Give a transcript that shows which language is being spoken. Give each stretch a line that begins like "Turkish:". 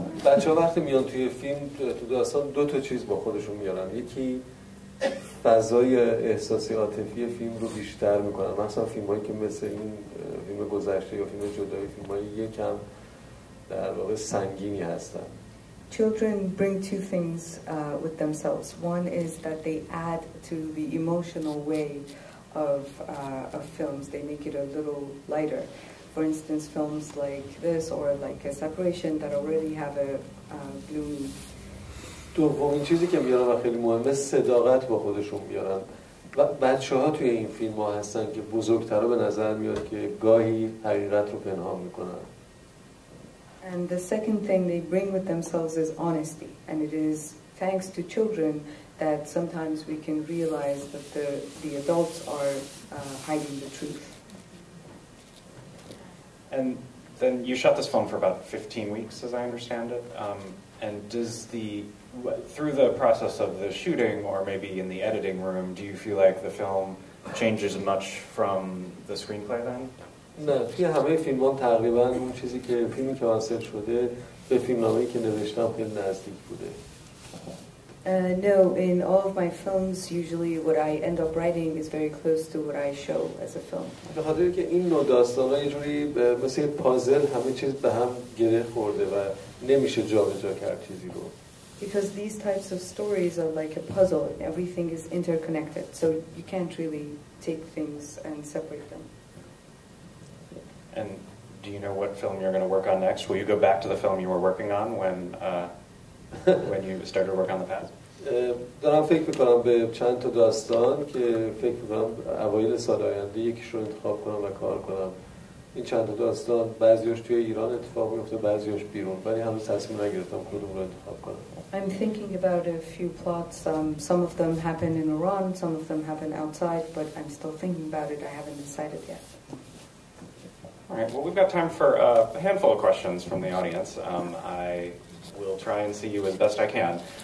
Persian: بچه ها وقتی میان توی فیلم تو داستان دو تا چیز با خودشون میارن. یکی فضای احساسی عاطفی فیلم رو بیشتر میکنم، مثلا فیلمایی که مثل این فیلم گذشته یا فیلم جدایی، فیلمایی یکم در واقع سنگینی هستن.
English: Children bring two things with themselves. One is that they add to the emotional way of films. They make it a little lighter. For instance, films like this or like A Separation that already have a gloomy.
Persian: دومین چیزی که میارن و خیلی مهمه صداقت با خودشون میارن. و بچه‌ها توی این فیلم ها هستن که بزرگتر به نظر میاد که گاهی حقیقت رو پنهان میکنن.
English: And the second thing they bring with themselves is honesty. And it is thanks to children that sometimes we can realize that the adults are hiding the truth. And then you shot this film for about 15 weeks, as I understand it. And does the, through the process of the shooting or maybe in the editing room, do you feel like the film changes much from the screenplay then?
Persian: نه، توی همه فیلمان تقریبا اون چیزی که فیلمی که حاصل شده به فیلمنامه‌ای که نوشتم خیلی نزدیک بوده.
English: No, in all of my films, usually what I end up writing is very close to what I show as a film.
Persian: به خاطر که این نوع داستان ها یه جوری مثل پازل همه چیز به هم گره خورده و نمیشه جا به جا کرد چیزی رو.
English: Because these types of stories are like a puzzle. Everything is interconnected, so you can't really take things and separate them. And do you know what film you're going to work on next? Will you go back to the film you were working on when you started to work on the past?
Persian: دارم فکر می‌کنم به چند تا داستان که فکر می‌کنم اوایل سال آینده یکیشون انتخاب کنم و کار کنم. این چند تا داستان بعضیش توی ایران اتفاق می‌افته، بعضیش بیرون، ولی هنوز تصمیم نگرفتم کدوم رو انتخاب کنم.
English: I'm thinking about a few plots. Some of them happen in Iran, some of them happen outside, but I'm still thinking about it. I haven't decided yet. All right, well, we've got time for a handful of questions from the audience. I will try and see you as best I can.